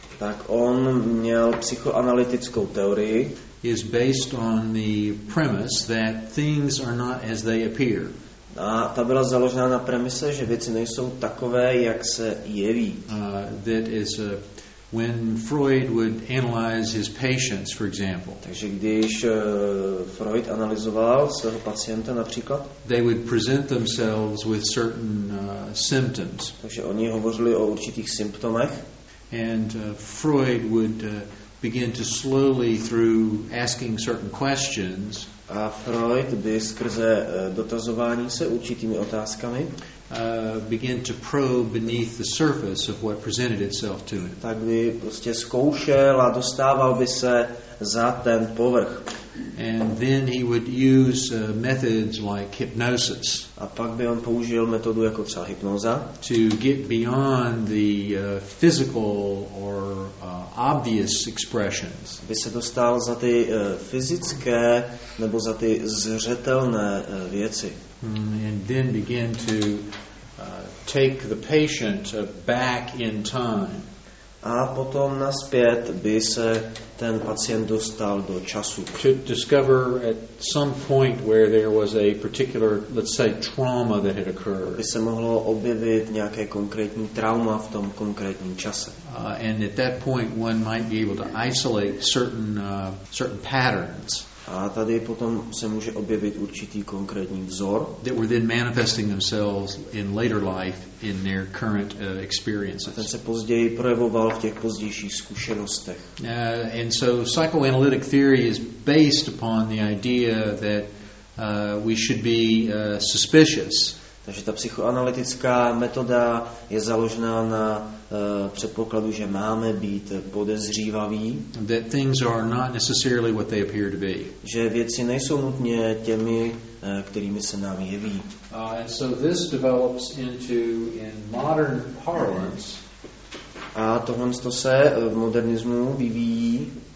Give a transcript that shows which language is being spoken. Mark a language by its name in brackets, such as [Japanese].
[Czech] tak on měl psychoanalytickou teorii, [English] is based on the premise that things are not as they appear. [Czech] A ta byla založena na premise, že věci nejsou takové, jak se jeví. [English] That is when Freud would analyze his patients, for example. [Czech] Takže když Freud analyzoval svého pacienta například, [English] they would present themselves with certain symptoms. [Czech] Takže oni hovořili o určitých symptomech. [English] And Freud would begin to slowly through asking certain questions. [Czech] A Freud by skrze dotazování se určitými otázkami [English] begin to probe beneath the surface of what presented itself to him. [Czech] Tak by prostě zkoušel a dostával by se za ten povrch. [English] And then he would use methods like hypnosis. [Czech] A pak by on použil metodu jako třeba hypnoza, [English] to get beyond the physical or obvious expressions. [Czech] Aby se dostal za ty fyzické nebo za ty zřetelné věci. [English] And then begin to take the patient back in time. [Czech] A potom naspět by se ten pacient dostal do času. [English] To discover at some point where there was a particular, let's say, trauma that had occurred. [Czech] By se mohlo objevit nějaké konkrétní trauma v tom konkrétním čase. [English] And at that point one might be able to isolate certain patterns. [Czech] A tady potom se může objevit určitý konkrétní vzor, [English] that were then manifesting themselves in later life in their current experiences. [Czech] Ten se později projevoval v těch pozdějších zkušenostech. [English] And so psychoanalytic theory is based upon the idea that we should be suspicious. [Czech] Takže ta psychoanalytická metoda je založena na předpokladu, že máme být podezřívaví. [English] That things are not necessarily what they appear to be. [Czech] Že věci nejsou nutně těmi, kterými se nám jeví. [English] And so this develops into, in modern parlance, [Czech] a tohle se v modernismu vyvíjí